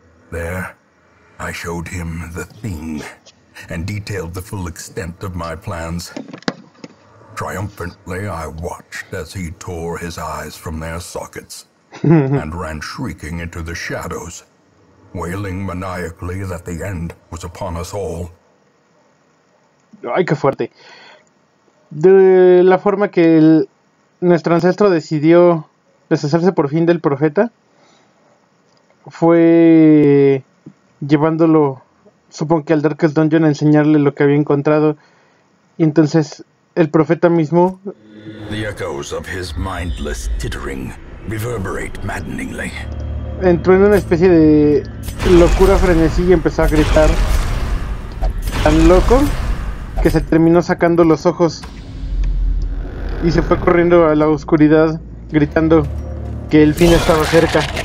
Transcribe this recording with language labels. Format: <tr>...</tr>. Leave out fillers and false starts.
<en>There, I showed him the thing. And detailed the full extent of my plans. Triumphantly, I watched as he tore his eyes from their sockets and ran shrieking into the shadows, wailing maniacally that the end was upon us all.</en> <es>¡Ay, qué fuerte! De la forma que nuestro ancestro decidió deshacerse por fin del profeta, fue llevándolo, supongo que al Darkest Dungeon, a enseñarle lo que había encontrado. Y entonces el profeta mismo,</es> <en>the echoes of his mindless tittering reverberate maddeningly,</en> <es>entró en una especie de locura frenesí y empezó a gritar tan loco que se terminó sacando los ojos y se fue corriendo a la oscuridad gritando que el fin estaba cerca.</es>